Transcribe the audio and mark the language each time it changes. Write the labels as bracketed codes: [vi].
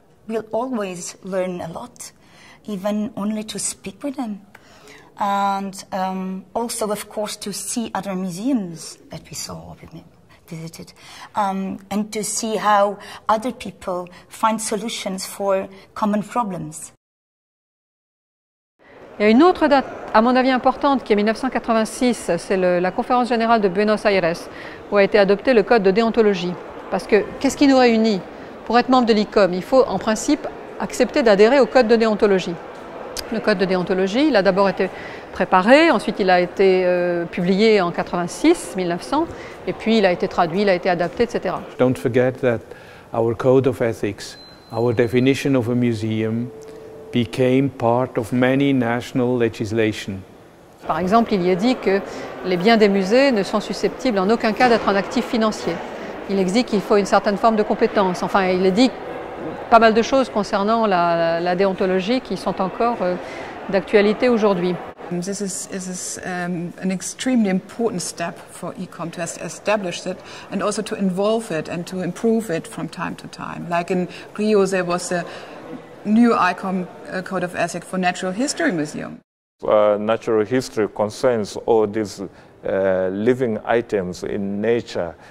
[en] We'll always learn a lot, even only to speak with them. And also, of course, to see other museums that we saw, visited, and to see how other people find solutions for common problems. [fr] Il y a une autre date, à mon avis, importante, qui est 1986, c'est la conférence générale de Buenos Aires, où a été adopté le code de déontologie. Parce que, qu'est-ce qui nous réunit? Pour être membre de l'ICOM, il faut, en principe, accepter d'adhérer au code de déontologie. Le code de déontologie, il a d'abord été préparé, ensuite il a été publié en 1986, et puis il a été traduit, il a été adapté, etc. [en] Don't forget that our code of ethics, our definition of a museum, became part of many national legislation. [fr] Par exemple, il y est dit que les biens des musées ne sont susceptibles en aucun cas d'être un actif financier. Il exige qu'il faut une certaine forme de compétence. Enfin, il est dit pas mal de choses concernant la déontologie qui sont encore d'actualité aujourd'hui. [en] This is an extremely important step for ECOM to establish it and also to involve it and to improve it from time to time. Like in Rio, there was a new ICOM code of ethics for Natural History Museum. Natural history concerns all these living items in nature.